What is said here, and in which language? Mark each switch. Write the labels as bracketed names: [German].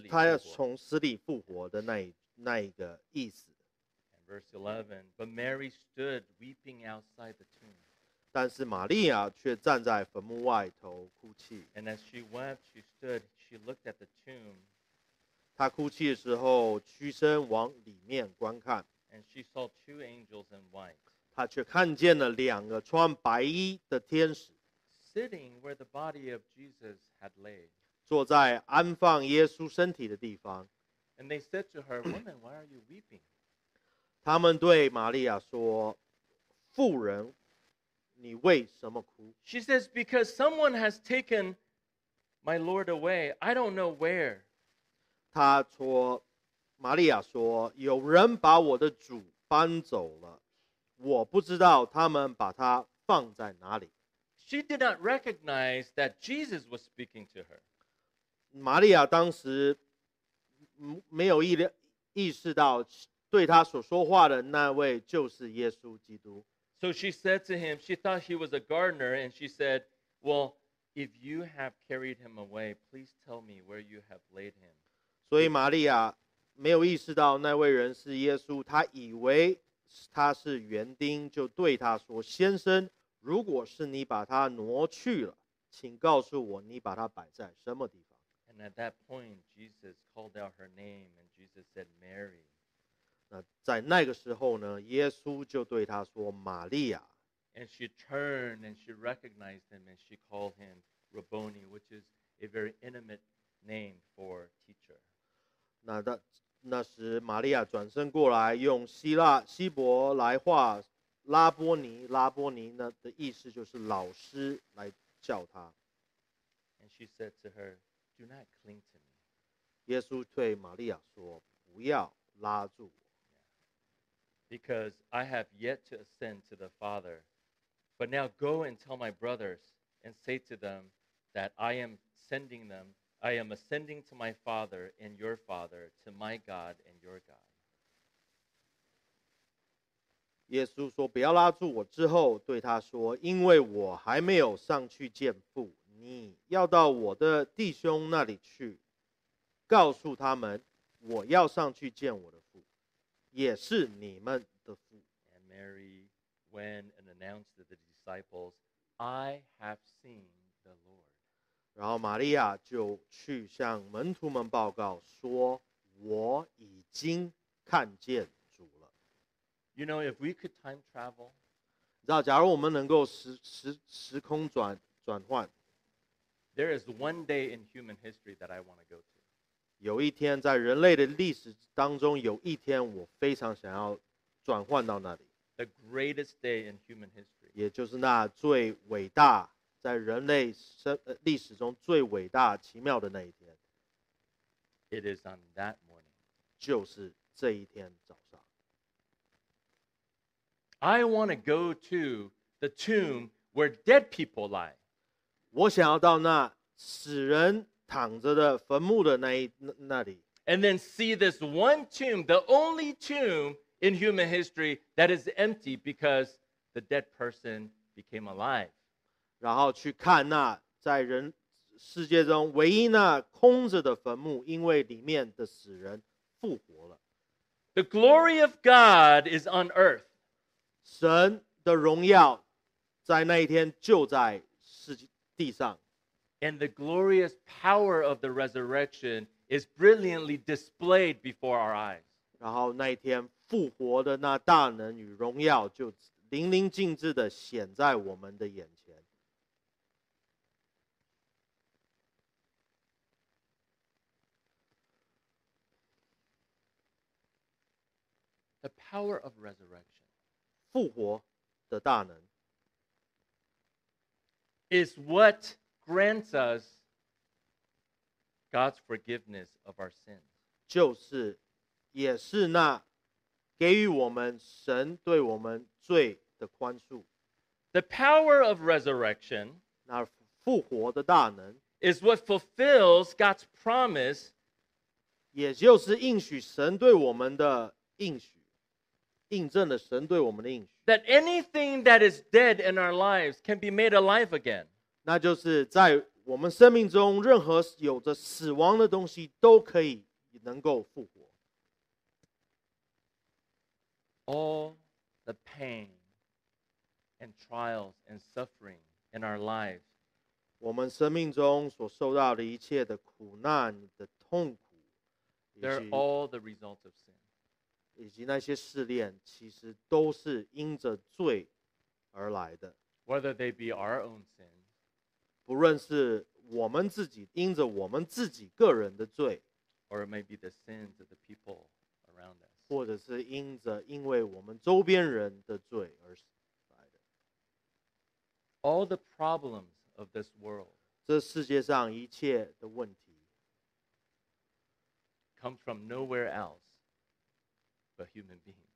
[Chinese] 他要从死里复活的那一个意思。 [English] And verse 11, but Mary stood weeping outside the tomb. [Chinese] 但是玛利亚却站在坟墓外头哭泣。 [English] And as she wept, she stood, she looked at the tomb. [Chinese] 她哭泣的时候，屈身往里面观看。 [English] And she saw two angels in white. [Chinese] 她却看见了两个穿白衣的天使。 [English] Sitting where the body of Jesus had laid. [Chinese] 坐在安放耶稣身体的地方。 [English] And they said to her, Woman, why are you weeping? [Chinese] 他们对玛利亚说，妇人，你为什么哭？ [English] She says, Because someone has taken my Lord away. I don't know where. [Chinese] 他说，玛利亚说，有人把我的主搬走了，我不知道他们把他放在哪里。 [English] She did not recognize that Jesus was speaking to her. [Chinese] 玛利亚当时没有意识到对他所说话的那位就是耶稣基督。 [English] So she said to him, she thought he was a gardener, and she said, Well, if you have carried him away, please tell me where you have laid him. [Chinese] 所以玛利亚没有意识到那位人是耶稣，她以为他是园丁，就对他说：“先生，如果是你把他挪去了，请告诉我你把他摆在什么地方。” [English] And at that point, Jesus called out her name, and Jesus said, "Mary." [Chinese] 那在那个时候呢，耶稣就对他说：“玛利亚。” [English] And she turned and she recognized him and she called him Rabboni, which is a very intimate name for teacher. [Chinese] 那时玛利亚转身过来，用希腊希伯来话拉波尼，拉波尼那的意思就是老师，来叫他。 [English] And she said to her, "Do not cling to me." [Chinese] 耶稣对玛利亚说，不要拉住我。 [English] Because I have yet to ascend to the Father, but now go and tell my brothers and say to them that I am ascending to my Father and your Father, to my God and your God. [Chinese] 耶稣说不要拉住我之后对他说，因为我还没有上去见父，你要到我的弟兄那里去，告诉他们我要上去见我的父，也是你们的父。 [English] And Mary went and announced to the disciples, I have seen. [Chinese] 然后玛利亚就去向门徒们报告说，我已经看见主了。 [English] You know, if we could time travel, [Chinese] 你知道，假如我们能够时空转换 [English] there is one day in human history that I want to go to. [Chinese] 有一天在人类的历史当中，有一天我非常想要转换到那里。 [English] The greatest day in human history. [Chinese] 也就是那最伟大在人类历史中最伟大奇妙的那一天。 [English] It is on that morning. [Chinese] 就是这一天早上。 [English] I want to go to the tomb where dead people lie. [Chinese] 我想要到那死人躺着的坟墓的那里。 [English] And then see this one tomb, the only tomb in human history that is empty because the dead person became alive. [Chinese] 然后去看那在人世界中唯一那空着的坟墓，因为里面的死人复活了。 [English] The glory of God is on earth. [Chinese] 神的荣耀在那一天就在地上。 [English] And the glorious power of the resurrection is brilliantly displayed before our eyes. [Chinese] 然后那一天复活的那大能与荣耀就淋漓尽致地显在我们的眼前。 [English] The power of resurrection, [Chinese] 复活的大能 [English] is what grants us God's forgiveness of our sins. [Chinese] 就是，也是那给予我们神对我们罪的宽恕。 [English] The power of resurrection, [Chinese] 那复活的大能 [English] is what fulfills God's promise. [Chinese] 也就是应许神对我们的应许。印证了神对我们的应许。 [English] That anything that is dead in our lives can be made alive again. [Chinese] 那就是在我们生命中任何有着死亡的东西都可以能够复活。 [English] All the pain and trials and suffering in our lives. [Chinese] 我们生命中所受到的一切的苦难的痛苦。 [English] They're all the result of sin. [Chinese] 以及那些试炼其实都是因着罪而来的。 [English] Whether they be our own sin, [Chinese] 不论是我们自己因着我们自己个人的罪 [English] or it may be the sins of the people around us, [Chinese] 或者是因为我们周边人的罪而来的。 [English] All the problems of this world, [Chinese] 这世界上一切的问题 [English] come from nowhere else. But human beings.